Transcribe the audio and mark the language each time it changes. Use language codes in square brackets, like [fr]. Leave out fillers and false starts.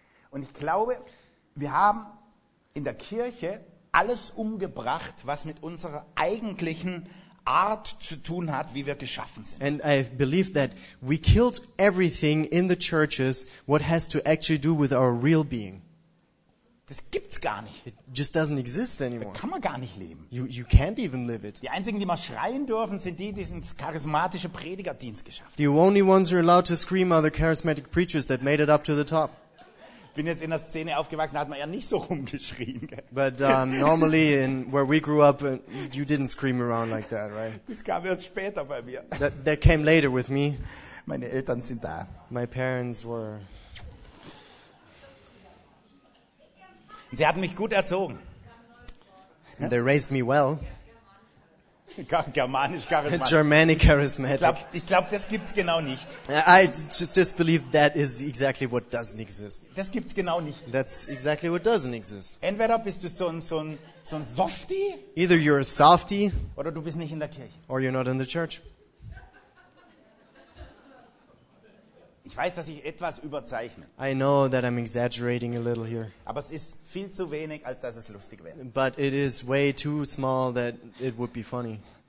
[de] Und ich glaube, wir haben in der Kirche alles umgebracht, was mit unserer eigentlichen Art zu tun hat, wie wir geschaffen sind. [en] And I believe that we killed everything in the churches what has to actually do with our real being. [de] Das gibt's gar nicht. [en] It just doesn't exist anymore. [de] Da kann man gar nicht leben. [en] You can't even live it. [de] Die einzigen, die mal schreien dürfen, sind die, die ins charismatische Predigerdienst geschafft. [en] The only ones who are allowed to scream are the charismatic preachers that made it up to the top. [de] Bin jetzt in der Szene aufgewachsen, hat man ja nicht so rumgeschrien. Gell? [en] But normally in where we grew up, you didn't scream around like that, right? [de] Das kam erst später bei mir. [en] That came later with me. [de] Meine Eltern sind da. [en] My parents were. [de] Sie haben mich gut erzogen. [en] And they raised me well. [de] Germanisch charismatisch. [en] Germanic charismatic. [de] Ich glaube, das gibt's genau nicht. [en] I just believe that is exactly what doesn't exist. [de] Das gibt's genau nicht. [en] That's exactly what doesn't exist. [de] Entweder bist du so ein Softie. [en] Either you're a softie. [de] Oder du bist nicht in der Kirche. [en] Or you're not in the church. [de] Ich weiß, dass ich etwas überzeichne. [en] I know that I'm exaggerating a little here. [de] Aber es ist viel zu wenig, als dass es lustig wäre. [en] But it is way too small that it would be funny.